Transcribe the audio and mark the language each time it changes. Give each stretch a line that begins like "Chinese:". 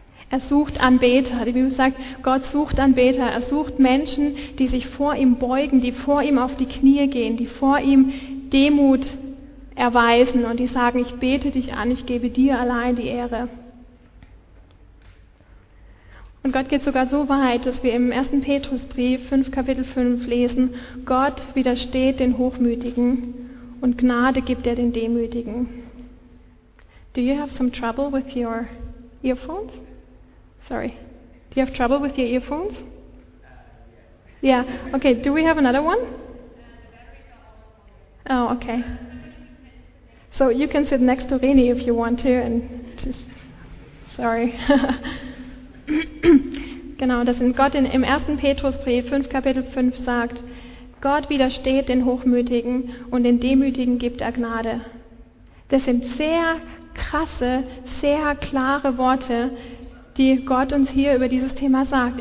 German: Er sucht Anbeter. Die Bibel sagt, Gott sucht Anbeter. Er sucht Menschen, die sich vor ihm beugen, die vor ihm auf die Knie gehen, die vor ihm Demut erweisen und die sagen, ich bete dich an, ich gebe dir allein die Ehre. Und Gott geht sogar so weit, dass wir im 1. Petrusbrief 5, Kapitel 5 lesen, Gott widersteht den Hochmütigen und Gnade gibt er den Demütigen.
English: Do you have some trouble with your earphones? Sorry. Do you have trouble with your earphones? Yeah. Okay, do we have another one? Oh, okay. So you can sit next to Rini if you want to and just... Sorry.
German: Genau, das in Gott im 1. Petrusbrief 5, Kapitel 5 sagt, Gott widersteht den Hochmütigen und den Demütigen gibt er Gnade. Das sind sehr krasse, sehr klare Worte, die Gott uns hier über dieses Thema sagt.